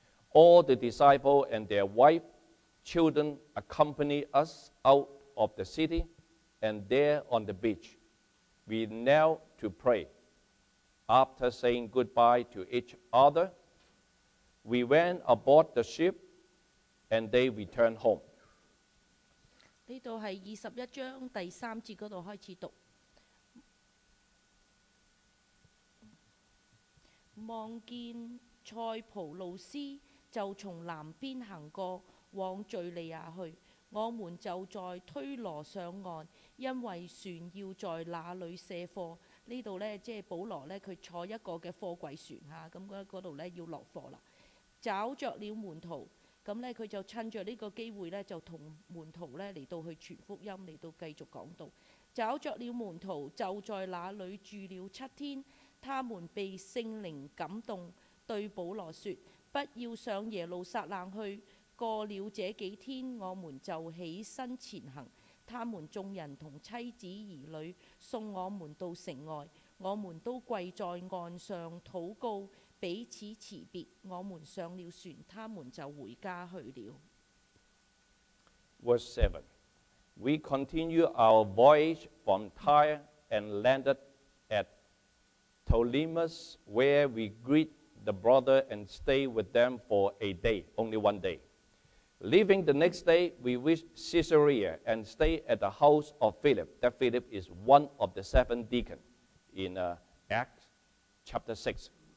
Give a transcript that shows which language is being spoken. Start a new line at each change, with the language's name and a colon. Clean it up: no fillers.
English: All the disciples and their wife, children accompanied us out of the city, and there on the beach, we knelt to pray. After saying goodbye to each other, we went aboard the ship, and they returned home.
Chinese: 这里是21章第3节那里开始读。望见塞浦路斯, 就从南边行过，往叙利亚去。我们就在推罗上岸，因为船要在那里卸货。这里保罗坐一个货柜船，那里要落货了。找着了门徒，他就趁着这个机会跟门徒来到去传福音，来到继续讲道。找着了门徒，就在那里住了7天。他们被圣灵感动，对保罗说， 不要上耶路撒冷去，过了这几天，我们就起身前行。他们众人同妻子儿女送我们到城外，我们都跪在岸上祷告，彼此辞别。我们上了船，他们就回家去了。
English: Verse 7. We continue our voyage from Tyre and landed at Ptolemais, where we greet the brother and stay with them for a day, only 1 day. Leaving the next day, we reached Caesarea and stay at the house of Philip. That Philip is one of the 7 deacons in Acts chapter 6.